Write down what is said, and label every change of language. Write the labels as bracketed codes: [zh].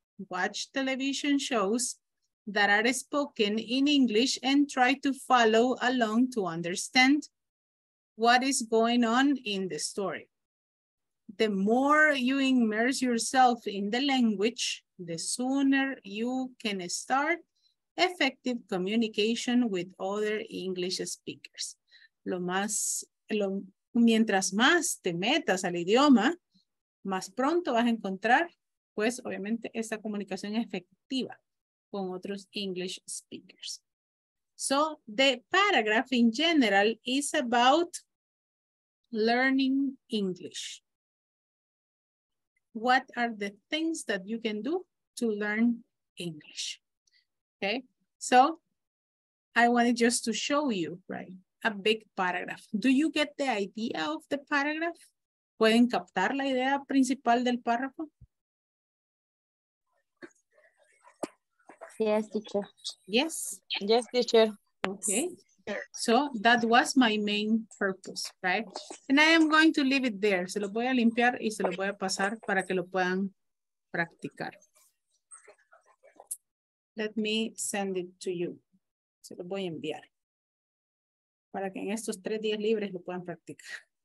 [en] Watch television shows that are spoken in English and try to follow along to understand what is going on in the story. The more you immerse yourself in the language, the sooner you can start effective communication with other English speakers. [es] Mientras más te metas al idioma, más pronto vas a encontrar, pues, obviamente, esa comunicación efectiva con otros [en] English speakers. So, the paragraph in general is about learning English. What are the things that you can do to learn English? Okay, so I wanted just to show you, right? A big paragraph. Do you get the idea of the paragraph? [es] ¿Pueden captar la idea principal del párrafo? [en] Yes, teacher. Yes? Yes, teacher. Okay. So that was my main purpose, right? And I am going to leave it there. [es] Se lo voy a limpiar y se lo voy a pasar para que lo puedan practicar. [en] Let me send it to you. [es] Se lo voy a enviar. Para que en estos 3 días libres lo puedan practicar.